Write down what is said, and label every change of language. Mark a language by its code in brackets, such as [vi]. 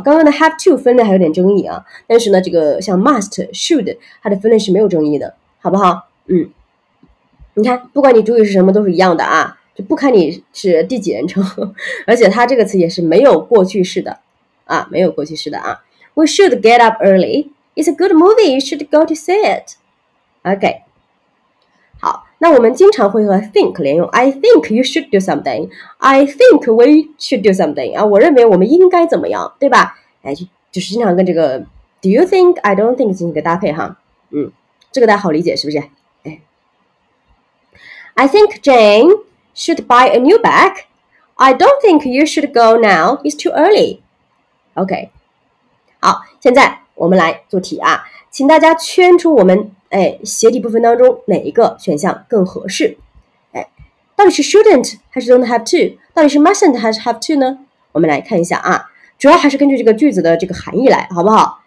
[zh] 刚刚的 have to 分类还有点争议啊，但是呢这个像 must should 它的分类是没有争议的，好不好？你看不管你主语是什么都是一样的啊，就不看你是第几人称，而且它这个词也是没有过去式的啊，没有过去式的啊。 [en] We should get up early. It's a good movie. You should go to see it. [zh] OK. 好，那我们经常会和 think 连用。 [en] I think you should do something. I think we should do something. [zh] 啊，我认为我们应该怎么样，对吧？哎，就是经常跟这个 [en] do you think, I don't think [zh] 进行一个搭配哈。这个大家好理解是不是？哎 [en] ，I think Jane should buy a new bag. I don't think you should go now. It's too early. OK. [zh] 好，现在我们来做题啊，请大家圈出我们哎斜体部分当中哪一个选项更合适。哎，到底是 shouldn't 还是 don't have to， 到底是 mustn't 还是 have to 呢？我们来看一下啊，主要还是根据这个句子的这个含义来，好不好？